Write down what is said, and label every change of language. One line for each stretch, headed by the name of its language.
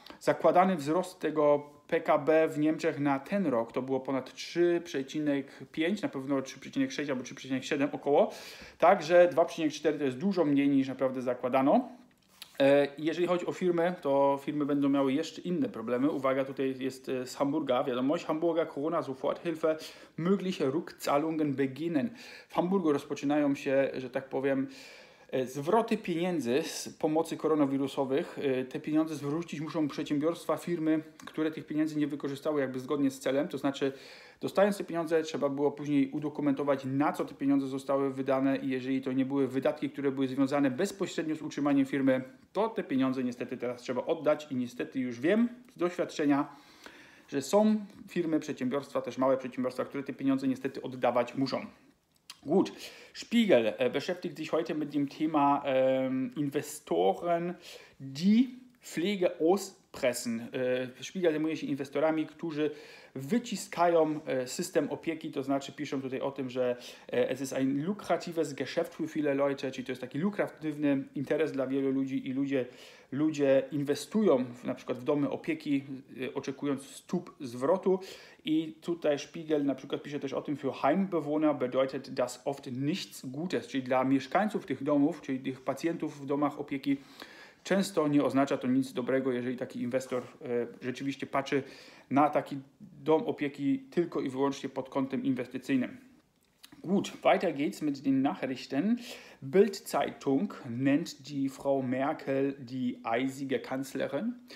Polish: Zakładany wzrost tego PKB w Niemczech na ten rok to było ponad 3,5, na pewno 3,6 albo 3,7 około. Także 2,4 to jest dużo mniej niż naprawdę zakładano. Jeżeli chodzi o firmy, to firmy będą miały jeszcze inne problemy. Uwaga, tutaj jest z Hamburga wiadomość.
German: Hamburger Corona-Soforthilfe, mögliche Rückzahlungen beginnen.
Polish: W Hamburgu rozpoczynają się, że tak powiem, zwroty pieniędzy z pomocy koronawirusowych. Te pieniądze zwrócić muszą przedsiębiorstwa, firmy, które tych pieniędzy nie wykorzystały jakby zgodnie z celem. To znaczy, dostając te pieniądze, trzeba było później udokumentować, na co te pieniądze zostały wydane i jeżeli to nie były wydatki, które były związane bezpośrednio z utrzymaniem firmy, to te pieniądze niestety teraz trzeba oddać i niestety już wiem z doświadczenia, że są firmy, przedsiębiorstwa, też małe przedsiębiorstwa, które te pieniądze niestety oddawać muszą.
German: Gut, Spiegel beschäftigt sich heute mit dem Thema Investoren, die Pflege auspressen.
Polish: Spiegel zajmuje się inwestorami, którzy wyciskają system opieki, to znaczy piszą tutaj o tym, że
German: es ist ein lukratives Geschäft für viele Leute,
Polish: czyli to jest taki lukratywny interes dla wielu ludzi i ludzie inwestują w, na przykład w domy opieki, oczekując stóp zwrotu. I tutaj Spiegel na przykład pisze też o tym,
German: für Heimbewohner bedeutet das oft nichts Gutes,
Polish: czyli dla mieszkańców tych domów, czyli tych pacjentów w domach opieki, często nie oznacza to nic dobrego, jeżeli taki inwestor rzeczywiście patrzy na taki dom opieki tylko i wyłącznie pod kątem inwestycyjnym.
German: Gut, weiter geht's mit den Nachrichten. Bild-Zeitung nennt die Frau Merkel die eisige Kanzlerin.